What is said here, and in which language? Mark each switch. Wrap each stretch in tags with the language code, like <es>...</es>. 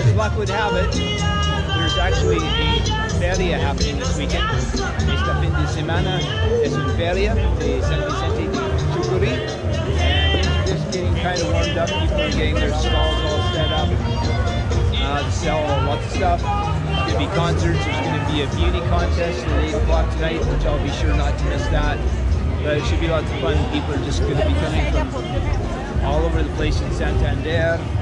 <en>As luck would have it, there's actually a feria happening this weekend.</en> <es>Esta fin de semana es una feria de San Vicente de Chucuri.</es> <en>Just getting kind of warmed up, people are getting their stalls all set up to sell all lots of stuff. There's going to be concerts, there's going to be a beauty contest at 8 o'clock tonight, which I'll be sure not to miss that. But it should be lots of fun. People are just going to be coming from all over the place in Santander.</en>